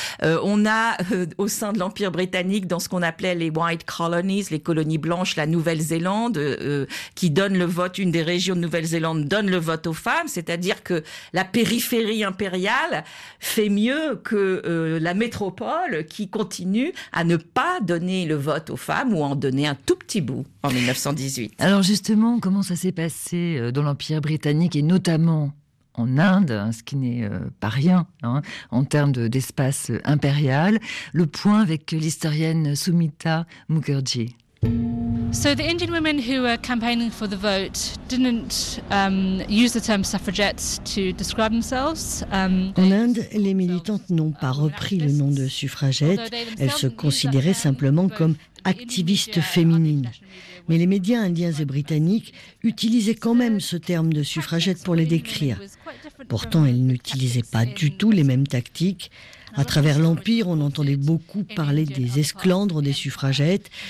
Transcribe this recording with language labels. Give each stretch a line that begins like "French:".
French: On a au sein de l'Empire britannique, dans ce qu'on appelait les White Colonies, les colonies blanches, la Nouvelle-Zélande, qui donne le vote, une des régions de Nouvelle-Zélande donne le vote aux femmes, c'est-à-dire que la périphérie impériale fait mieux que la métropole qui continue à ne pas donner le vote aux femmes ou en donner un tout petit bout en 1918. Alors justement, comment ça s'est passé dans l'Empire britannique et notamment en Inde, ce qui n'est pas rien hein, en termes d'espace impérial. Le point avec l'historienne Sumita Mukherjee.
English: So the Indian women who were campaigning for the vote didn't use the term suffragettes to describe themselves.
French: En Inde, les militantes n'ont pas repris le nom de suffragettes. Elles se considéraient simplement comme activistes féminines. Mais les médias indiens et britanniques utilisaient quand même ce terme de suffragette pour les décrire. Pourtant, elles n'utilisaient pas du tout les mêmes tactiques. À travers l'Empire, on entendait beaucoup parler des esclandres des suffragettes.